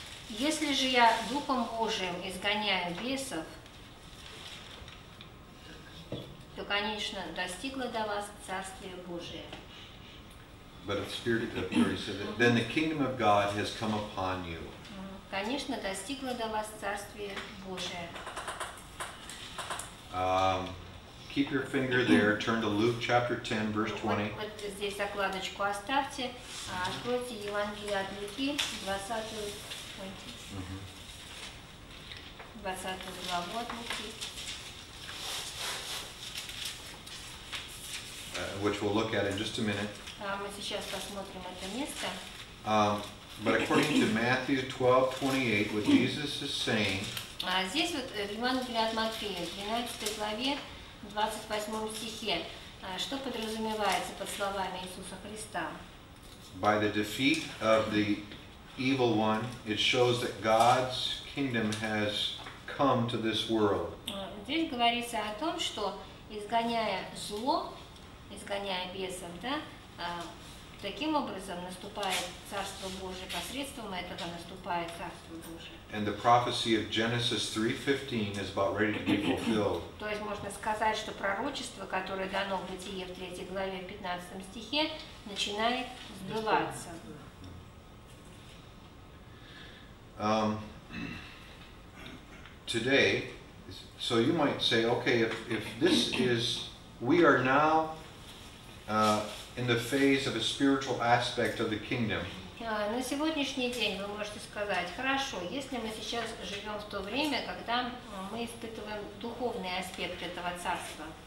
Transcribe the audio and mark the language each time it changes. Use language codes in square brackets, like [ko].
[ru] Если же я духом Божиим изгоняю бесов, то, конечно, достигло до вас Царствие Божие. [en] But the Spirit of God said that then the kingdom of God has come upon you. [ru] Конечно, достигло до вас Царствие Божие. [en] Keep your finger there. Turn to Luke chapter 10, verse 20. [ru] Вот здесь закладочку оставьте. Откройте Евангелие от Луки, 20 главу от Луки. [en] Which we'll look at in just a minute. [ru] Мы сейчас посмотрим это место. [en] But according to Matthew 12:28, what Jesus is saying. [ru] Здесь вот в Евангелии от Матфея, 12 главе, 28 стихе, что подразумевается под словами Иисуса Христа? [en] By the defeat of the evil one, it shows that God's kingdom has come to this world. [ru] Здесь говорится о том, что изгоняя зло, изгоняя бесов, да, таким образом наступает Царство Божие, посредством этого наступает Царство Божие. [en] And the prophecy of Genesis 3:15 is about ready to be fulfilled. [ru] То есть можно сказать, что пророчество, которое дано в Бытие в 3 главе, в 15 стихе, начинает сбываться. [en] Today, so you might say, okay, if this is, we are now in the phase of a spiritual aspect of the kingdom. [ru] На сегодняшний день вы можете сказать, хорошо, если мы сейчас живем в то время, когда мы испытываем духовный аспект этого царства.